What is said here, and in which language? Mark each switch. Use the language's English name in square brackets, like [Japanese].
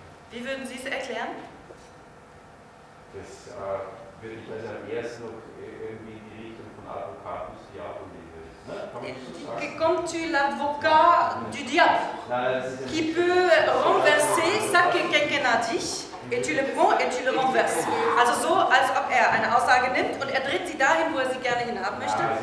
[German] Wie würden Sie es erklären? Das würde ich also am ersten noch irgendwie in die Richtung von Advocatus Diabo nehmen. [French] Que comme tu l'avocat du diable, qui peut renverser ça que quelqu'un a dit? [German] Intelligent und du renverst. Also so, als ob er eine Aussage nimmt und er dreht sie dahin, wo er sie gerne hinhaben möchte.